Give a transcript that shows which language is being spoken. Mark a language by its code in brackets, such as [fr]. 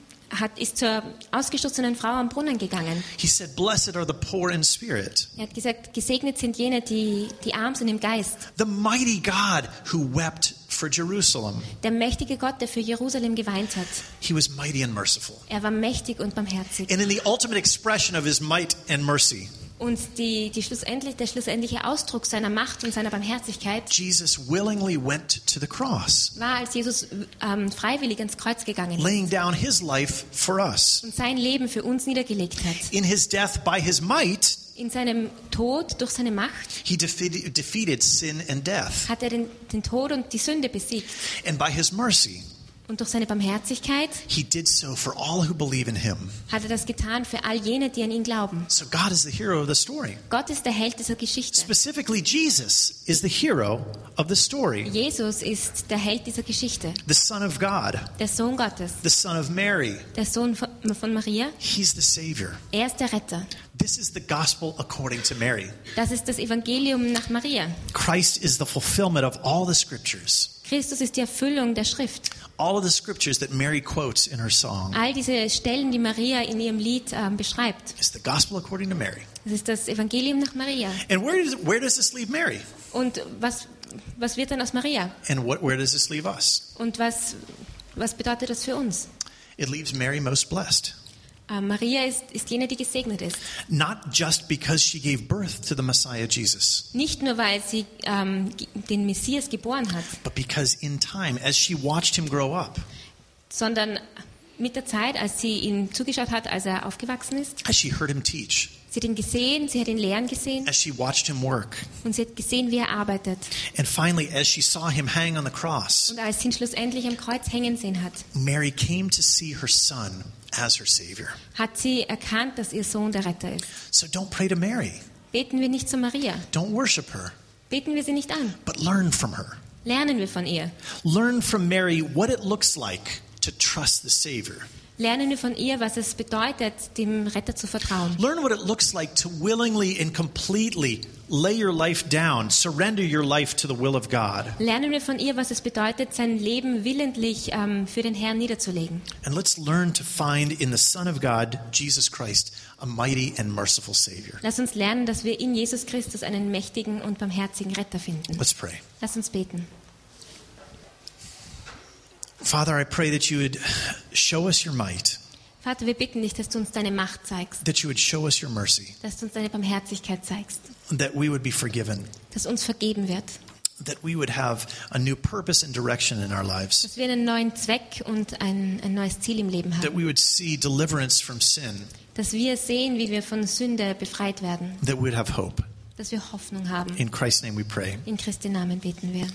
[de] Er ist zur ausgestoßenen Frau am Brunnen gegangen. [en] He said, "Blessed are the poor in spirit." [de] Er hat gesagt, gesegnet sind jene, die arm sind im Geist. [en] The mighty God who wept for Jerusalem. [de] Der mächtige Gott, der für Jerusalem geweint hat. [en] He was mighty and merciful. [de] Er war mächtig und barmherzig. [en] And in the ultimate expression of his might and mercy. [de] Und der schlussendliche Ausdruck seiner Macht und seiner Barmherzigkeit [en] Jesus willingly went to the cross, [de] war, als Jesus freiwillig ans Kreuz gegangen ist, [en] laying down his life for us, [de] und sein Leben für uns niedergelegt hat. [en] In his death by his might, [de] in seinem Tod durch seine Macht, [en] he defeated sin and death, [de] hat den Tod und die Sünde besiegt. [en] And by his mercy, [de] und durch seine Barmherzigkeit, [en] he did so for all who believe in him, [de] hat das getan für all jene, die an ihn glauben. [en] So God is the hero of the story. [de] Gott ist der Held dieser Geschichte. [en] Specifically, Jesus is the hero of the story. [de] Jesus ist der Held dieser Geschichte. [en] The Son of God. [de] Der Sohn Gottes. [en] The Son of Mary. [de] Der Sohn von Maria. [en] He's the Savior. [de] Er ist der Retter. [en] This is the gospel according to Mary. [de] Das ist das Evangelium nach Maria. [en] Christ is the fulfillment of all the scriptures. [de] Christus ist die Erfüllung der Schrift. [en] all of the scriptures that Mary quotes in her song. [de] All diese Stellen, die Maria in ihrem Lied beschreibt. [en] It's the gospel according to Mary. [de] Es ist das Evangelium nach Maria. [en] And where does this leave Mary? [de] Und was wird dann aus Maria? [en] And where does this leave us? [de] Und was bedeutet das für uns? [en] It leaves Mary most blessed. [de] Maria ist jene, die gesegnet ist. [en] Not just because she gave birth to the Messiah Jesus. [de] Nicht nur weil sie den Messias geboren hat. [en] But because in time, as she watched him grow up. [de] Sondern mit der Zeit, als sie ihm zugeschaut hat, als er aufgewachsen ist. [en] As she heard him teach. [de] Sie hat ihn gesehen, sie hat ihn lehren gesehen. [en] As she watched him work. [de] Und sie hat gesehen, wie er arbeitet. [en] And finally, as she saw him hang on the cross. [de] Und als sie ihn schlussendlich am Kreuz hängen sehen hat. [en] Mary came to see her son. As her savior. [de] Hat sie erkannt, dass ihr Sohn der Retter ist. [en] So don't pray to Mary. [de] Beten wir nicht zu Maria. [en] Don't worship her. [de] Beten wir sie nicht an. [en] But learn from her. [de] Lernen wir von ihr. [en] Learn from Mary what it looks like to trust the savior. [de] Lernen wir von ihr, was es bedeutet, dem Retter zu vertrauen. [en] Learn what it looks like to willingly and completely lay your life down, surrender your life to the will of God. [de] Lernen wir von ihr, was es bedeutet, sein Leben willentlich für den Herrn niederzulegen. [en] And let's learn to find in the Son of God, Jesus Christ, a mighty and merciful Savior. [de] Lass uns lernen, dass wir in Jesus Christus einen mächtigen und barmherzigen Retter finden. [en] Let's pray. [de] Lass uns beten. [en] Father, I pray that you would show us your might. [de] Vater, wir bitten dich, dass du uns deine Macht zeigst. [en] That you would show us your mercy. [de] Dass du uns deine Barmherzigkeit zeigst. [en] That we would be forgiven. [de] Dass uns vergeben wird. [en] That we would have a new purpose and direction in our lives. [de] Dass wir einen neuen Zweck und ein neues Ziel im Leben haben. [en] That we would see deliverance from sin. [de] Dass wir sehen, wie wir von Sünde befreit werden. [en] That we would have hope. [de] Dass wir Hoffnung haben. [en] In Christ's name we pray. [de] In Christi Namen beten wir.